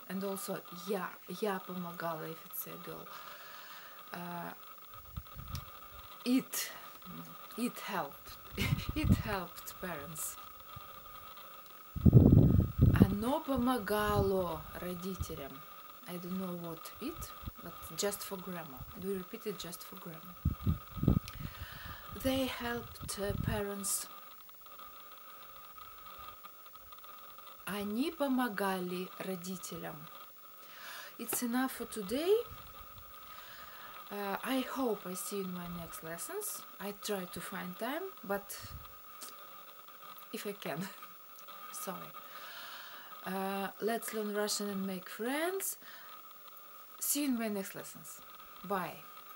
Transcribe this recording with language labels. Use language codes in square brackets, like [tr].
[en] And also [ru] я помогала, [en] if it's a girl. It helped. It helped parents. [ru] Оно помогало родителям. [en] I don't know what it, but just for grammar. We repeat it just for grammar. They helped parents. [ru] Они помогали родителям. [en] It's enough for today. I hope I see you in my next lessons. I try to find time, but if I can, sorry. Let's learn Russian and make friends. See you in my next lessons. Bye.